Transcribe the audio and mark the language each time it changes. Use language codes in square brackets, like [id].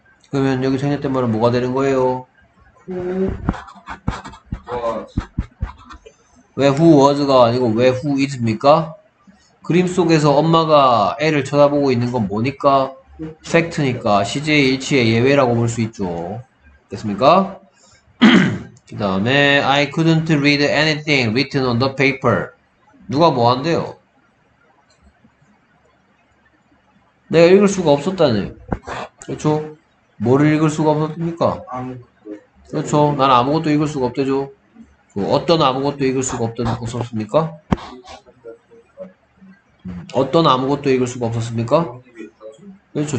[ko] 그러면 여기 생략된 말은 뭐가 되는 거예요? 왜 who was가 아니고 왜 who is입니까? 그림 속에서 엄마가 애를 쳐다보고 있는 건 뭐니까? 팩트니까 시제 일치의 예외라고 볼 수 있죠. 됐습니까? 그 다음에 [en] I couldn't read anything written on the paper. [ko] 누가 뭐 한대요? 내가 읽을 수가 없었다네. 그렇죠? 뭐를 읽을 수가 없었습니까? 그렇죠? 난 아무것도 읽을 수가 없대죠. 그 어떤 아무것도 읽을 수가 없었습니까? 어떤 아무것도 읽을 수가 없었습니까? 그렇죠.